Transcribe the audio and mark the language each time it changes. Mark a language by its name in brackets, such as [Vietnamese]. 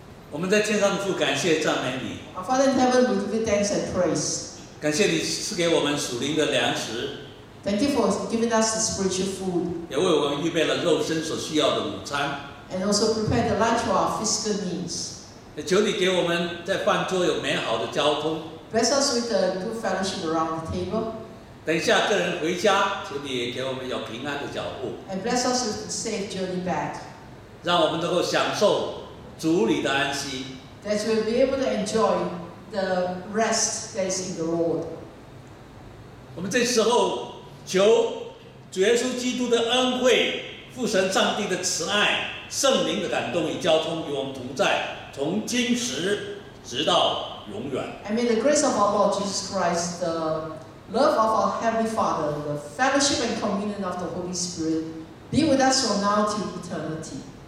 [Chinese] 我们在天上父，感谢赞美你。 [English] Our Father in heaven, we give thanks and praise. [Chinese] 感谢你赐给我们属灵的粮食。 [English] Thank you for giving us the spiritual food. [Chinese] 也为我们预备了肉身所需要的午餐。 [English] And also prepare the lunch for our physical needs. [Chinese] 也求你给我们在饭桌有美好的交通。 [English] Bless us with a good fellowship around the table. [Chinese] 等一下个人回家，求你给我们有平安的脚步。 [English] And bless us with a safe journey back. [Chinese] 让我们能够享受主里的安息。 [English] That we'll be able to enjoy the rest that is in the Lord. [Chinese] 我们这时候求主耶稣基督的恩惠、父神上帝的慈爱、圣灵的感动与交通与我们同在，从今时直到永远。 [English] And may the grace of our Lord Jesus Christ, the love of our Heavenly Father, the fellowship and communion of the Holy Spirit, be with us from now till eternity.